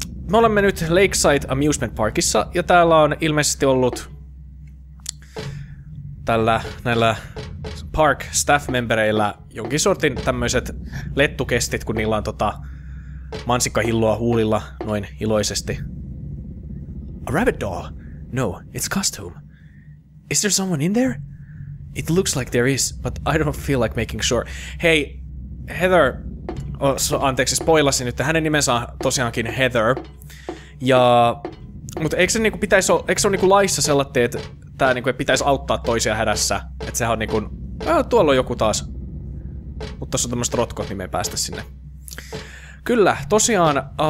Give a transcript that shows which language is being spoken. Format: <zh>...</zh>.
<fi>Me olemme nyt Lakeside Amusement Parkissa, ja täällä on ilmeisesti ollut näillä park staff membereillä jonkin sortin tämmöiset lettukestit, kun niillä on mansikkahilloa huulilla noin iloisesti.</fi> <en>A rabbit doll? No, it's costume. Is there someone in there? It looks like there is, but I don't feel like making sure. Hey, Heather...</en> <fi>Anteeksi, spoilasin nyt. Hänen nimensä on tosiaankin Heather. Ja... Mutta eikö se niinku pitäisi olla... Eikö se ole niinku laissa sellatti, että tää niinku pitäisi auttaa toisia hädässä? Että sehän on niinku... tuolla on joku taas. Mutta tossa on tämmöset rotkot, niin me ei päästä sinne. Kyllä, tosiaan...</fi>